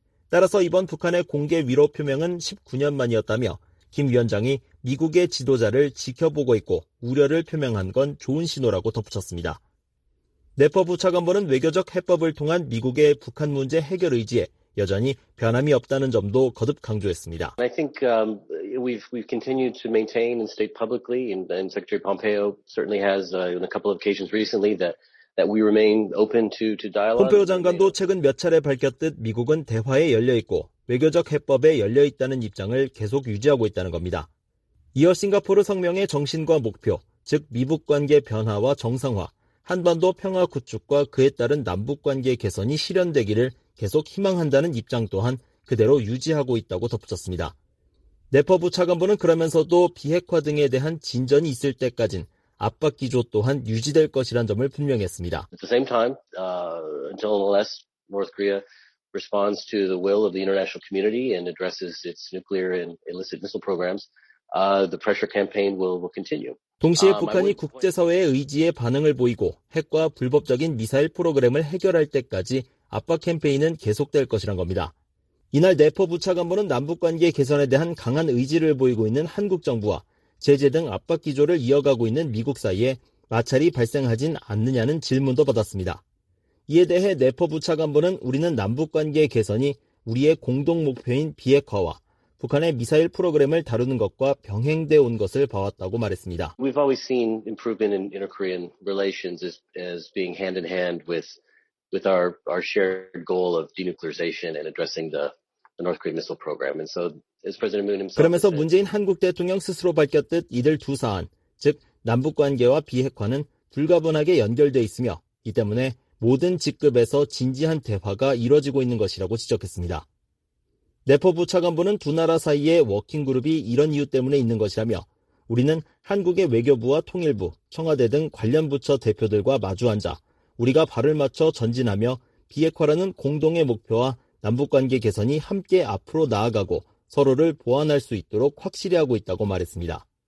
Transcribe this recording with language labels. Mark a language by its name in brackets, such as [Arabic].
[Korean] 따라서 이번 북한의 공개 위로 표명은 19년 만이었다며 김 위원장이 미국의 지도자를 지켜보고 있고 우려를 표명한 건 좋은 신호라고 덧붙였습니다. 네퍼 부차관보는 외교적 해법을 통한 미국의 북한 문제 해결 의지에 여전히 변함이 없다는 점도 거듭 강조했습니다. [English] I think we've continued to maintain and state publicly, and Secretary Pompeo certainly has on a couple of occasions recently that we remain open to dialogue. [Korean] 폼페오 장관도 최근 몇 차례 밝혔듯 미국은 대화에 열려 있고 외교적 해법에 열려 있다는 입장을 계속 유지하고 있다는 겁니다. 이어 싱가포르 성명의 정신과 목표, 즉 미북 관계 변화와 정상화, 한반도 평화 구축과 그에 따른 남북 관계 개선이 실현되기를 계속 희망한다는 입장 또한 그대로 유지하고 있다고 덧붙였습니다. 네퍼 부차관보는 그러면서도 비핵화 등에 대한 진전이 있을 때까진 압박 기조 또한 유지될 것이란 점을 분명했습니다. [English] At the same time, until unless North Korea responds to the will of the international community and addresses its nuclear and illicit missile programs, the pressure campaign will continue. [Korean] 동시에 북한이 국제사회의 의지에 반응을 보이고 핵과 불법적인 미사일 프로그램을 해결할 때까지 압박 캠페인은 계속될 것이란 겁니다. 이날 네퍼 부차관보는 남북관계 개선에 대한 강한 의지를 보이고 있는 한국 정부와 제재 등 압박 기조를 이어가고 있는 미국 사이에 마찰이 발생하진 않느냐는 질문도 받았습니다. 이에 대해 네퍼 부차관보는 우리는 남북관계 개선이 우리의 공동 목표인 비핵화와 북한의 미사일 프로그램을 다루는 것과 병행돼 온 것을 봐왔다고 말했습니다. [English] We've always seen improvement in inter-Korean relations as being hand in hand with our shared goal of denuclearization and addressing the North Korean missile program. And so, as President Moon himself. [Korean] 그러면서 문재인 한국 대통령 스스로 밝혔듯 이들 두 사안, 즉 남북 관계와 비핵화는 불가분하게 연결돼 있으며 이 때문에 모든 직급에서 진지한 대화가 이루어지고 있는 것이라고 지적했습니다. 네퍼 부차관보는 두 나라 사이의 워킹 그룹이 이런 이유 때문에 있는 것이라며 우리는 한국의 외교부와 통일부, 청와대 등 관련 부처 대표들과 마주앉아 우리가 발을 맞춰 전진하며 비핵화라는 공동의 목표와 남북관계 개선이 함께 앞으로 나아가고 서로를 보완할 수 있도록 확실히 하고 있다고 말했습니다.